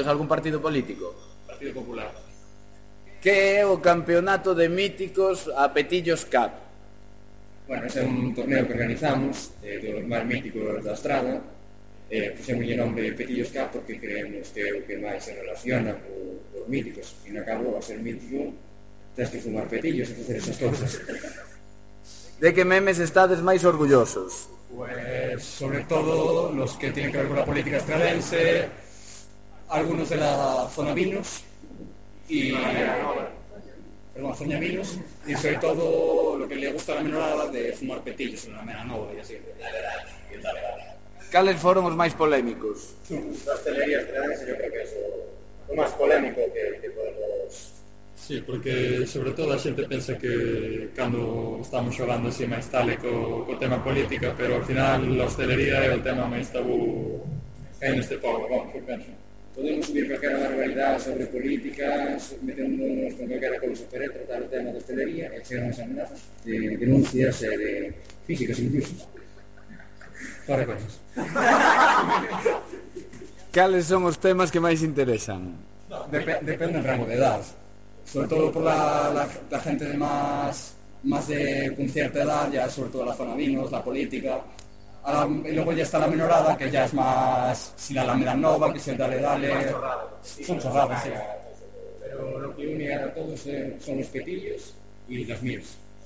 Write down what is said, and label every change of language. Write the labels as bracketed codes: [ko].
[es] ¿Es algún partido político? Partido Popular. [gl] ¿Qué é o campeonato de míticos a Petillos Cup? [es] Bueno, [gl] ese é [es] un torneo que organizamos de los más míticos da Estrada. [gl] Pusemos o nome de Petillos Cup porque creemos que é o que máis se relaciona con os míticos. E no cabo, a ser mítico tens que fumar petillos e facer esas cousas. De que memes estades máis orgullosos? [es] Pues, sobre todo, los que tienen que ver con la política estradense, algunos de la zona Vinos y... Perdón, Zona Vinos, y sobre todo lo que le gusta a la menorada de fumar petillos en la Meranova y así. ¿Cuáles fueron los más polémicos? Las telerías estradense, yo creo que es lo más polémico que podemos... Sí, porque sobre todo [gl] a xente pensa que cando estamos xogando así máis tal co tema política, pero ao final a hostelería é o tema máis tabú en este pobo, bom, que penso. Podemos subir calquera barbaridade sobre políticas, meternos con calquera cousa para tratar o tema da hostelería, e chegan as amenazas de denuncias e de físicas incluso. Para cousas. Cales son os temas que máis interesan? Depende do ramo de edad. [es] Sobre todo por la gente de más de con cierta edad, ya sobre todo la zona Vinos, la política. Y luego ya está la menorada, que ya es más si la Alameda Nova, que si el Dale Dale. Son chorradas, sí. Pero lo que une a todos son los petillos y los míos.